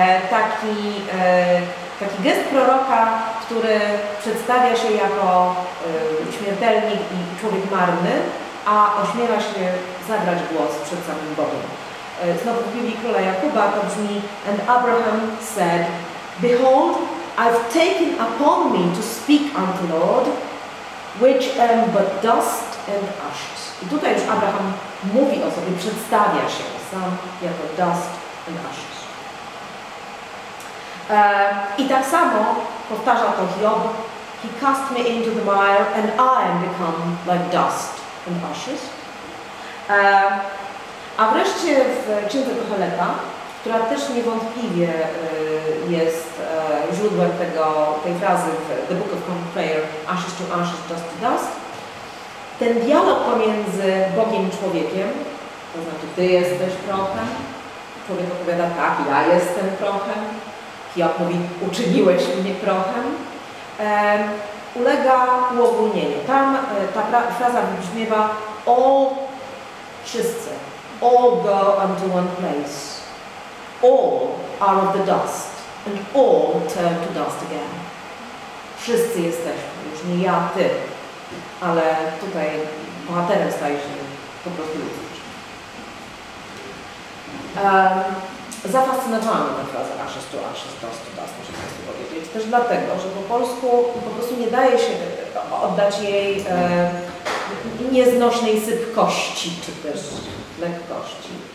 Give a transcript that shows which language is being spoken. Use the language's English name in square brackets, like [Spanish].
[Polish] Taki gest proroka, który przedstawia się jako śmiertelnik i człowiek marny, a ośmiela się zabrać głos przed samym Bogiem. Znowu w Biblii Króla Jakuba to brzmi: [English] And Abraham said, behold, I've taken upon me to speak unto the Lord, which am but dust and ashes. [Polish] I tutaj już Abraham mówi o sobie, przedstawia się sam jako [English] Dust and Ashes. [Polish] I tak samo powtarza to Hiob. [English] He cast me into the mire and I am become like dust and ashes. [Polish] A wreszcie w księdze Koheleta, która też niewątpliwie jest źródłem tej frazy w The Book of Common Prayer, [English] Ashes to Ashes, Dust to Dust, [Polish] ten dialog pomiędzy Bogiem i człowiekiem, to znaczy ty jesteś prochem, człowiek odpowiada tak, ja jestem prochem, Hiob mówi, uczyniłeś mnie prochem, ulega uogólnieniu. Tam ta fraza brzmiewa [English] all [Polish] wszyscy, [English] all go unto one place. All are of the dust and all turn to dust again. [Polish] Wszyscy jesteśmy, już nie ja, ty, ale tutaj bohaterem staje się po prostu ludzkość. Zafascynowałam tę frazę [English] ashes to ashes, dust to dust, [Polish] muszę Państwu powiedzieć. Też dlatego, że po polsku po prostu nie daje się oddać jej nieznośnej sypkości, czy też lekkości.